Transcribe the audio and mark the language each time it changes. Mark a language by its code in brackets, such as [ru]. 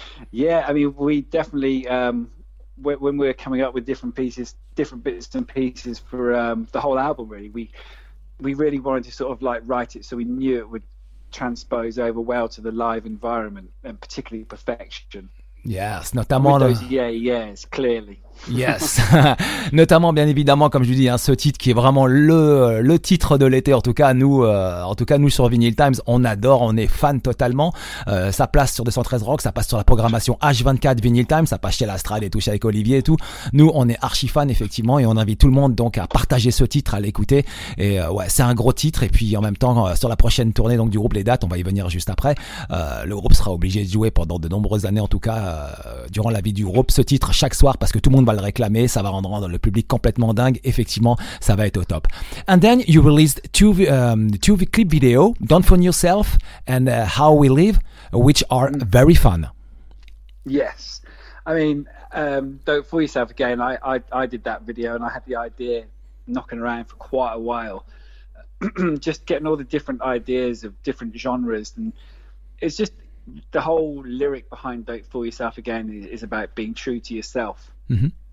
[en] Yeah, I mean, we definitely, when we're coming up with different pieces, different bits and pieces for the whole album, really, we really wanted to sort of like write it so we knew it would transpose over well to the live environment, and particularly Perfection. [fr] Yes, notamment [en] with those yeah yeahs, clearly. [fr] Yes, notamment bien évidemment, comme je vous dis, hein, ce titre qui est vraiment le titre de l'été. En tout cas nous sur Vinyl Times, on adore, on est fan totalement. Ça place sur 213 Rock, ça passe sur la programmation H24 Vinyl Times, ça passe chez l'Astral et tout, chez avec Olivier et tout. Nous, on est archi fan effectivement, et on invite tout le monde donc à partager ce titre, à l'écouter. Et ouais, c'est un gros titre. Et puis en même temps, sur la prochaine tournée donc du groupe, les dates, on va y venir juste après. Le groupe sera obligé de jouer pendant de nombreuses années, en tout cas durant la vie du groupe, ce titre chaque soir, parce que tout le monde va le réclamer, ça va rendre le public complètement dingue. Effectivement, ça va être au top. [en] And then you released two clip video, Don't Phone Yourself and How We Live, which are very fun. Yes, I mean, Don't Phone Yourself again. I did that video, and I had the idea knocking around for quite a while, just getting all the different ideas of different genres, and it's just the whole lyric behind Don't Phone Yourself again is about being true to yourself. Mm-hmm.